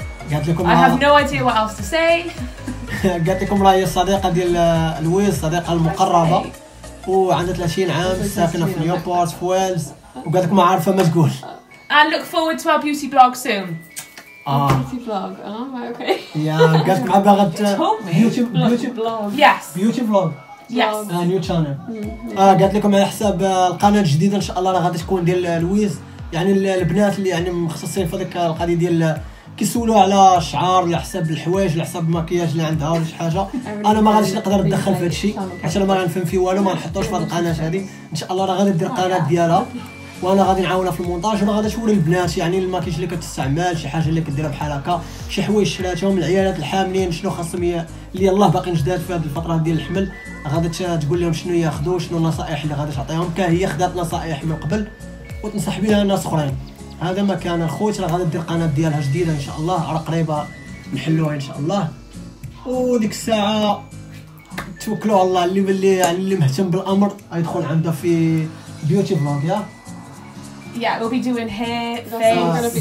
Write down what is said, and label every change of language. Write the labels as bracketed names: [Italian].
[English] I have no idea what else to say. [Arabic] قالت لكم راهي الصديقة ديال لويز صديقة المقربة وعندها 30 عام ساكنة في نيوبورت في ويلز وقالت لكم عارفة ما تقول. [English] I look forward to our beauty blog soon. Beauty blog. Okay. [Arabic] قالت لكم عبارة beauty blog. [English] Yes. Yes. New channel. [Arabic] قالت لكم على حساب القناة الجديدة إن شاء الله غادي تكون ديال لويز يعني البنات اللي يعني مخصصين في هذيك القضية ديال كيسولوا على شعار على حساب الحوايج على حساب المكياج اللي عندها ولا شي حاجة. أنا ما غاديش نقدر ندخل في هذا الشيء حيت أنا ما غنفهم فيه والو ما نحطوش في هذه القناة هذه إن شاء الله غادي ندير القناة ديالها وأنا غادي نعاونها في المونتاج وما غاديش نوري البنات يعني المكياج اللي كتستعمل شي حاجة اللي كديرها بحال هكا شي حوايج شراتهم العيالات الحاملين شنو خاصهم اللي الله باقي جداد في هذه الفترة ديال الحمل غادي تقول لهم شنو ياخذوا شنو النصائح اللي غادي تعطيهم كهي خدات نصائح من قبل وتنصح بها ناس اخرين. هذا ما كان الخوت راه غادي دير قناه ديالها جديده ان شاء الله راه قريبه نحلوها ان شاء الله وديك الساعه توكلوا على الله اللي باللي يعني اللي مهتم بالامر يدخل عندها في بيوتي فلوج. [English] Yeah, we'll be doing hair, face,